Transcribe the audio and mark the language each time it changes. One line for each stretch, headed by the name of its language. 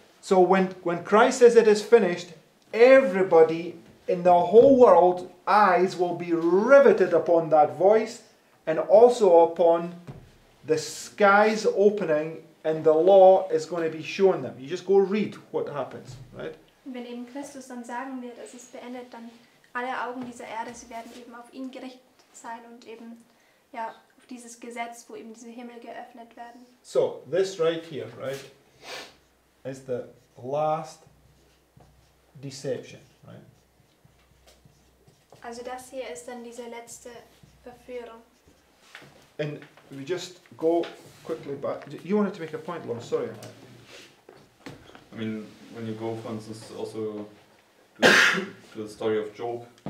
English: So when Christ says it is finished, everybody in the whole world, eyes will be riveted upon that voice, and also upon the skies opening. And the law is going to be showing them. You just go read what happens, right?
German: Wenn eben Christus dann sagen wird, es ist beendet, dann alle Augen dieser Erde, sie werden eben auf ihn gerichtet sein und eben ja auf dieses Gesetz, wo eben diese Himmel geöffnet werden.
English: So, this right here, right, is the last deception, right?
German: Also das hier ist dann diese letzte Verführung.
English: And we just go quickly back. You wanted to make a point, Lauren, sorry. I mean, when you go, for instance, also to the story of Job.